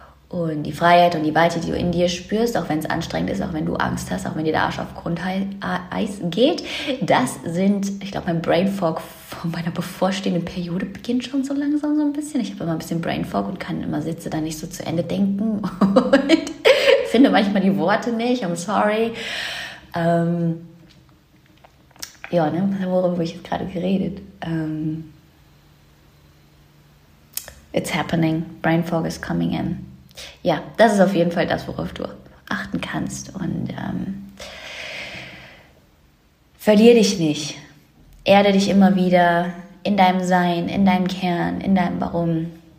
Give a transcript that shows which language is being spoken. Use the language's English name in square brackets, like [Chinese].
[German] Und die Freiheit und die Weite, die du in dir spürst, auch wenn es anstrengend ist, auch wenn du Angst hast, auch wenn dir der Arsch auf Grundeis geht, das sind, ich glaube, mein Brain Fog von meiner bevorstehenden Periode beginnt schon so langsam so ein bisschen. Ich habe immer ein bisschen Brain Fog und kann immer sitze da nicht so zu Ende denken und finde manchmal die Worte nicht, [English] I'm sorry. [German] Ja, ne, worüber habe ich jetzt gerade geredet? [English] It's happening, Brain Fog is coming in. [German] Ja, das ist auf jeden Fall das, worauf du achten kannst. Und verlier dich nicht. Erde dich immer wieder in deinem Sein, in deinem Kern, in deinem Warum.